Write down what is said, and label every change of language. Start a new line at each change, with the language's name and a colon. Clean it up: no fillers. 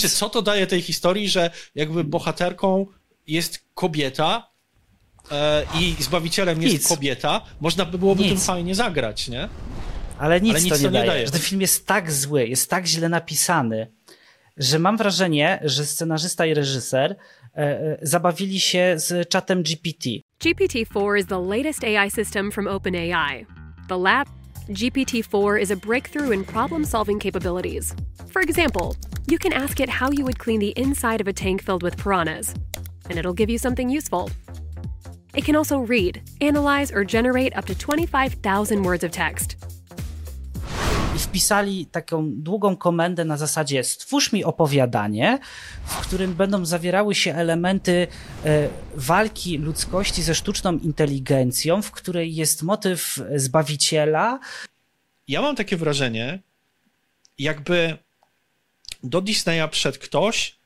Polish: Znaczy, co to daje tej historii, że jakby bohaterką jest kobieta i zbawicielem jest kobieta? Można by byłoby tym fajnie zagrać, nie? Ale nic to nie daje. Że ten film jest tak zły, jest tak źle napisany, że mam wrażenie, że scenarzysta i reżyser zabawili się z czatem GPT.
English: GPT-4 is the latest AI system from OpenAI. The lab GPT-4 is a breakthrough in problem-solving capabilities. For example, you can ask it how you would clean the inside of a tank filled with piranhas, and it'll give you something useful. It can also read, analyze, or generate up to 25,000 words of text.
Polish: I wpisali taką długą komendę na zasadzie stwórz mi opowiadanie, w którym będą zawierały się elementy walki ludzkości ze sztuczną inteligencją, w której jest motyw zbawiciela. Ja mam takie wrażenie, jakby do Disneya przyszedł ktoś,